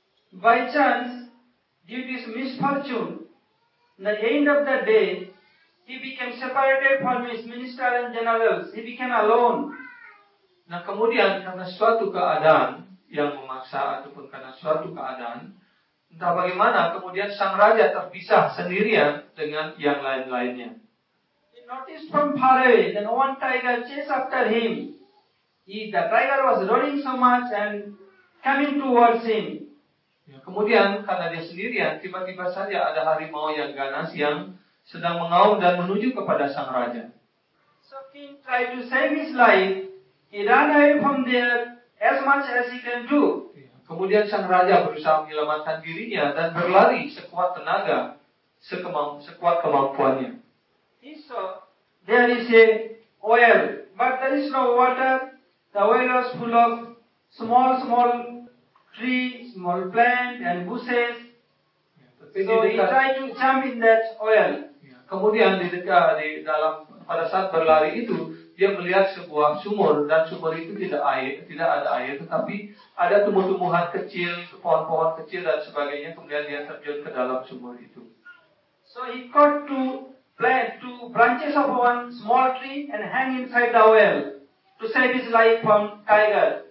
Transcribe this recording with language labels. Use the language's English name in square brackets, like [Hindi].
[English] By chance, due to his misfortune, at the end of the day, he became separated from his minister and generals. He became alone. [Indonesian] Nah, kemudian karena suatu keadaan yang memaksa ataupun karena suatu keadaan, entah bagaimana, kemudian sang raja terpisah sendirian dengan yang lain-lainnya. [English] He noticed from far away that one tiger chased after him. The tiger was roaring so much and coming towards him. [Indonesian] Ya, kemudian karena dia sendirian, tiba-tiba saja ada harimau yang ganas yang sedang mengaum dan menuju kepada sang raja. [English] So king tried to save his life. He ran away from there as much as he can do. [Indonesian] Kemudian sang raja berusaha menyelamatkan dirinya dan berlari sekuat tenaga, sekuat kemampuannya. [English] He saw there is a well, but there is no water. The well was full of small trees, small plants and bushes. So he tried to jump in that well. [Indonesian] Kemudian pada saat berlari itu, dia melihat sebuah sumur dan sumur itu tidak ada air, tetapi ada tumbuh-tumbuhan kecil, pohon-pohon kecil dan sebagainya. Kemudian dia terjun ke dalam sumur itu. [English] So he caught two branches of one small tree and hang inside the well to save his life from tiger.